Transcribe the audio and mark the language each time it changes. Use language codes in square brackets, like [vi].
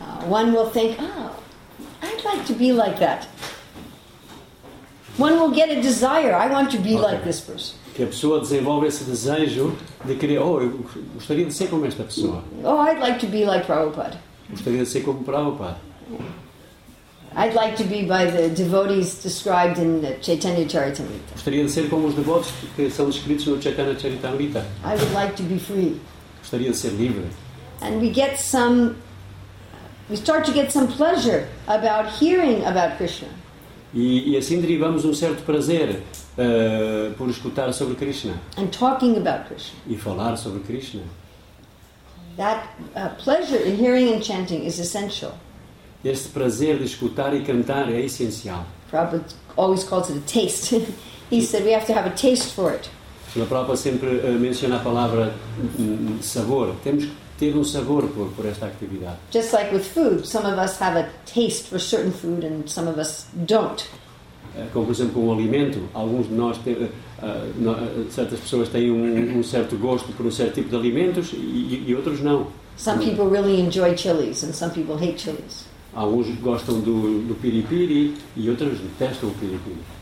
[en] One will think, oh, I'd like to be like that. One will get a desire, I want to be okay. Like this person. [pt] Que a pessoa desenvolve esse desejo de querer, oh, eu gostaria de ser como esta pessoa. [en] Oh, I'd like to be like Prabhupada. [pt] Gostaria de ser como Prabhupada. [en] I'd like to be by the devotees described in the Chaitanya Charitamrita. [pt] Gostaria de ser como os devotos que são descritos no Chaitanya Charitamrita. [en] I would like to be free. [pt] Gostaria de ser livre. [en] And we start to get some pleasure about hearing about Krishna. [pt] E assim derivamos um certo prazer por escutar sobre Krishna. [en] And talking about Krishna. [pt] E falar sobre Krishna. [en] That pleasure in hearing and chanting is essential. [pt] Este prazer de escutar e cantar é essencial. [en] Prabhupada always calls it a taste. He said we have to have a taste for it. [pt] Srila Prabhupada sempre menciona a palavra sabor. Temos que ter um sabor por esta atividade. [en] Just like with food, some of us have a taste for certain food and some of us don't. [pt] Como por exemplo com o alimento, alguns de nós têm, certas pessoas têm um certo gosto por um certo tipo de alimentos e outros não. [en] Some people really enjoy chilies and some people hate chilies. [pt] Alguns gostam do piripiri e outros detestam o piripiri.